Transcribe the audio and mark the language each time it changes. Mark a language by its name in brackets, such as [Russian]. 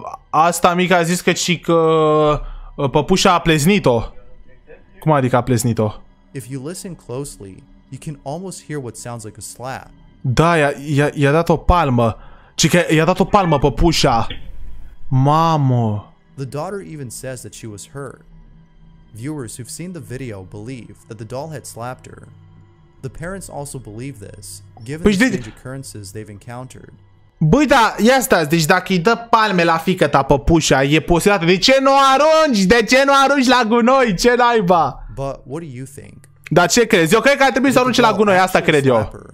[Romanian] Asta mica a zis că și că păpușa a pleznit-o. Cum adică a pleznit-o? [English] If you listen closely, you can almost hear what sounds like a slap. [Romanian] Da, i-a dat o palmă. Ci că i-a dat o palmă păpușa. Mamă. [English] The daughter even says that she was hurt. Viewers who've seen the video believe that the doll had slapped her. The parents also believe this, given the strange occurrences they've encountered. [Romanian] Băi, da, ia stați, deci dacă îi dă palme la fiică ta păpușa, e posedată, de ce nu arunci? De ce nu arunci la gunoi? Ce naiba? [English] But what do you think? [Romanian] Dar ce crezi? Eu cred că ar trebui să arunci la gunoi, asta cred eu.